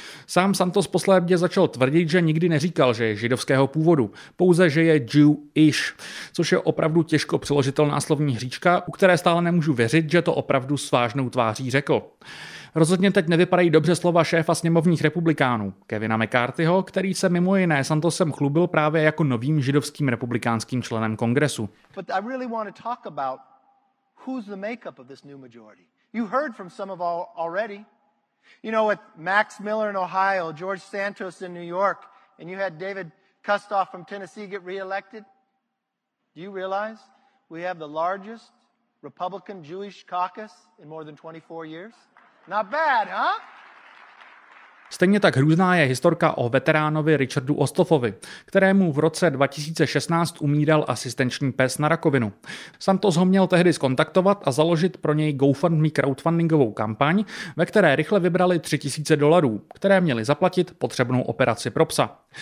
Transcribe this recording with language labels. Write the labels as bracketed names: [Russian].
[Czech] Sám Santos posledně začal tvrdit, že nikdy neříkal, že je židovského původu, pouze, že je Jew-ish, což je opravdu těžko přeložitelná slovní hříčka, u které stále nemůžu věřit, že to opravdu s vážnou tváří řekl. Rozhodně teď nevypadají dobře slova šéfa sněmovních republikánů, Kevina McCarthyho, který se mimo jiné Santosem chlubil právě jako novým židovským republikánským členem kongresu. [English] But I really want to talk about who's the makeup of this new majority. You heard from some of all already. You know, with Max Miller in Ohio, George Santos in New York, and you had David Kustoff from Tennessee get reelected. Do you realize we have the largest Republican Jewish caucus in more than 24 years? Not bad, huh? [Czech] Stejně tak hrůzná je historka o veteránovi Richardu Ostoffovi, kterému v roce 2016 umíral asistenční pes na rakovinu. Santos ho měl tehdy skontaktovat a založit pro něj GoFundMe crowdfundingovou kampaň, ve které rychle vybrali $3000, které měli zaplatit potřebnou operaci pro psa.